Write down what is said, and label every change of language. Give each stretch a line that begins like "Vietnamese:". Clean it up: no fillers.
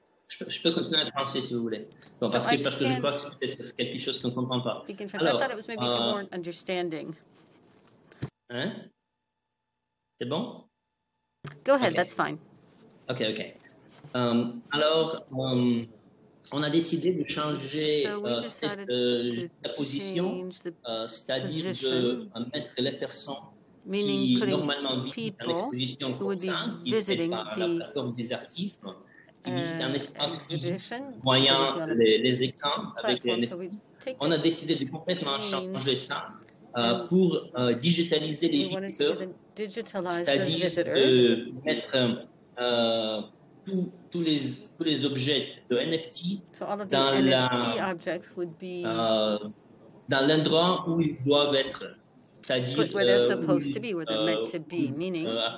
French: Je peux continuer en français si vous voulez. Bon, parce que je crois que c'est quelque chose qu'on ne comprend pas.
English: Speak in French.
French: Alors,
English: I thought it was maybe you weren't understanding.
French: Hein? C'est bon?
English: Go ahead, okay. That's fine. Okay, okay.
French: Alors, on a décidé de changer la position, c'est-à-dire de mettre les personnes
English: meaning putting people who would be visiting the
French: exhibition, moyen les écrans avec les on a décidé de complètement changer ça pour digitaliser les visiteurs, c'est-à-dire de mettre tous les objets de NFT dans la dans l'endroit où ils doivent être.
English: Put where they're supposed to be, where they're meant to be, meaning